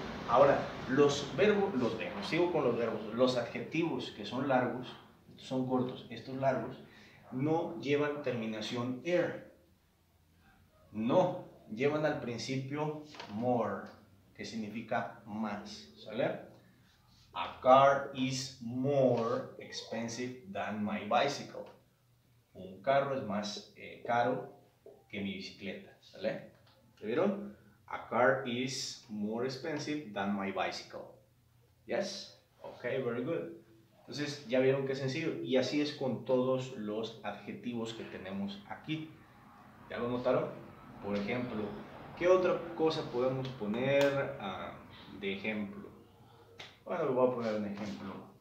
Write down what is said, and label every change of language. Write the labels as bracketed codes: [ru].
[es] Ahora, los adjetivos que son largos, son cortos, estos largos, no llevan terminación air. No, llevan al principio more, que significa más, ¿sale? [en] A car is more expensive than my bicycle. [es] Un carro es más caro que mi bicicleta, ¿sale? ¿Se vieron? [en] A car is more expensive than my bicycle. Yes? Okay, very good. [es] Entonces, ya vieron qué sencillo. Y así es con todos los adjetivos que tenemos aquí. ¿Ya lo notaron? Por ejemplo, ¿qué otra cosa podemos poner de ejemplo? Bueno, lo voy a poner un ejemplo.